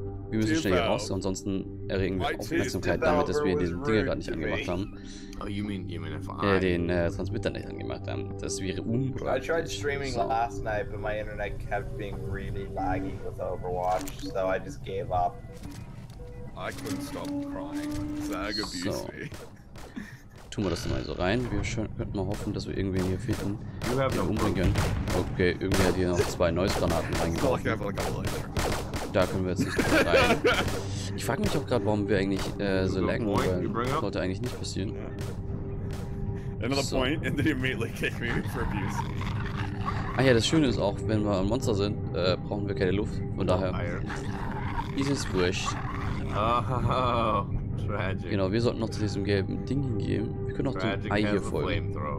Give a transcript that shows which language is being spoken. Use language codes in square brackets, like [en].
[de] Wir müssen schnell hier raus, ansonsten erregen wir Aufmerksamkeit damit, dass wir diesen Dinger gerade nicht angemacht haben. [en] Oh, you mean if I... [de] den Transmitter nicht angemacht haben. Das wäre unbrauchbar. [en] I tried streaming so. Last night, but my internet kept being really laggy with Overwatch, so I just gave up. I couldn't stop crying. Zag abuse [de] so. Tun wir das mal so rein. Wir könnten mal hoffen, dass wir irgendwen hier finden, den umbringen können. Okay, irgendwie hat hier noch zwei Noise-Granaten reingebracht. Da können wir jetzt nicht rein. Ich frage mich auch gerade, warum wir eigentlich so laggen wollen. Das sollte eigentlich nicht passieren. [en] Another point, and then you immediately kick me for abuse. [de] Ah ja, das Schöne ist auch, wenn wir ein Monster sind, brauchen wir keine Luft. Von daher. Ist es wurscht. [en] Oh, tragic. [de] Genau, wir sollten noch zu diesem gelben Ding hingehen. Wir können auch dem Ei hier folgen.